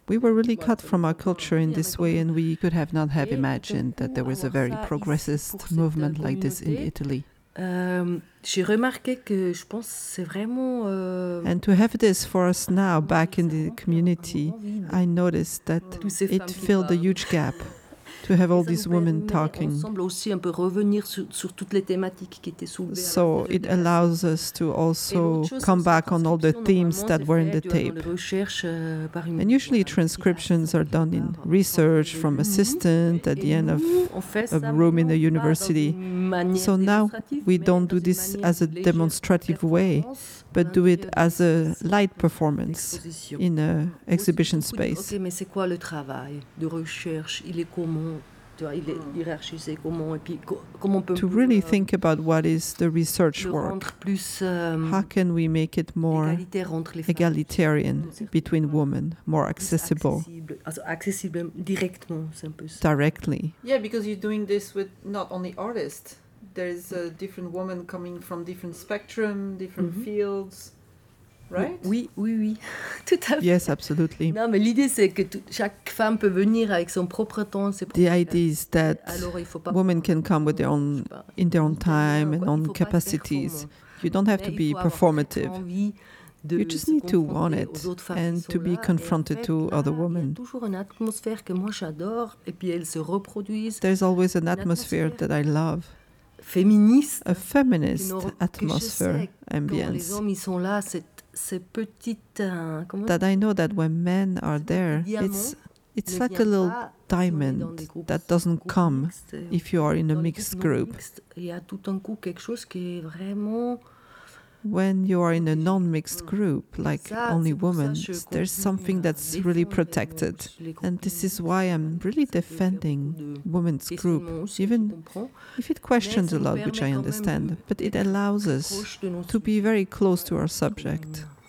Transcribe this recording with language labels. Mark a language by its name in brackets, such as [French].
[English] We were really cut from our culture in this way, and we could have not have imagined that there was a very progressist movement like this in Italy. [French] J'ai remarqué que je pense c'est vraiment [English] and to have this for us now back in the community, I noticed that it filled a huge gap to have all these women talking. [French] Aussi un peu revenir sur toutes les thématiques qui étaient soulevées. [English] So it allows us to also come back on all the themes that were in the tape. And usually transcriptions are done in research from assistant at the end of a room in a university. So now we don't do this as a demonstrative way, but do it as a light performance in an exhibition space. [French] Okay, mais c'est quoi le travail de recherche? Il est comment? Il est hiérarchisé comment? Et puis comment on peut [English] to really think about what is the research work? [French] Plus, [English] how can we make it more egalitarian between women, more accessible? [French] Accessible directement, c'est un peu ça. [English] Directly. Yeah, because you're doing this with not only artists. There is a different woman coming from different spectrum, different fields, right? [French] Oui, tout à fait. [English] Yes, absolutely. [French] Non, mais l'idée c'est que chaque femme peut venir avec son propre temps. [English] The idea is that women can come with their own in their own time and own capacities. You don't have to be performative. You just need to want it and to be confronted to other women. There's always an atmosphere that I love. [French] Féministe, [English] a feminist atmosphere, ambiance. [French] Les hommes, ils sont là, cette petite, [English] that I know that when men are there, it's like a little diamond that doesn't come if you are in a mixed group. [French] Il y a tout un coup quelque chose qui est vraiment. [English] When you are in a non-mixed group, like only women, there's something that's really protected. And this is why I'm really defending women's group, even if it questions a lot, which I understand. But it allows us to be very close to our subject.